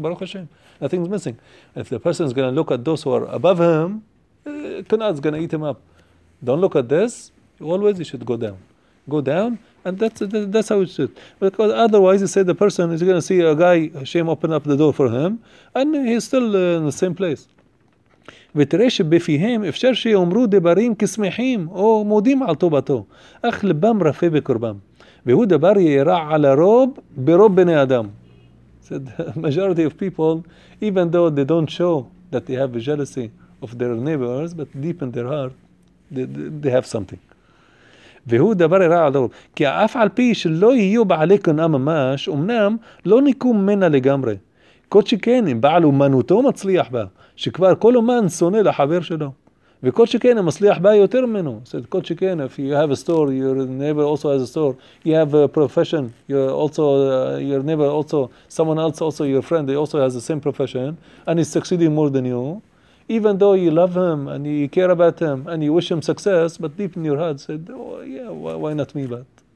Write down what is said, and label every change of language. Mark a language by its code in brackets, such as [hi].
[en] Baruch Hashem, nothing's missing. If the person is going to look at those who are above him, Kana'at is going to eat him up. Don't look at this. Always you should go down. Go down, and that's how it should. Because otherwise, you say the person is going to see a guy, Hashem open up the door for him, and he's still in the same place. [he] ותראה שבפיהם אפשר שיאמרו דברים כשמחים או מודים על טובתו, אך לבם רפה בקרבם. והוא דבר יירע על הרוב ברוב בני אדם. [en] So the majority of people, even though they don't show that they have a jealousy of their neighbors, but deep in their heart, they have something. [he] והוא דבר יירע על הרוב. כי אף על פי שלא יהיו בעלי קנאה ממש, אמנם לא ניקום מנה לגמרי. כל שכן אם בעל אומנותו מצליח בה, שכבר כל אומן שונא לחבר שלו. וכל שכן אם מצליח בה יותר ממנו. [en] So, כל שכן, if you have a store, your neighbor also has a store, you have a profession, your neighbor also, someone else also, your friend, they also has the same profession, and he's succeeding more than you. Even though you love him, and you care about him, and you wish him success, but deep in your heart, said, oh, yeah, why not me, but?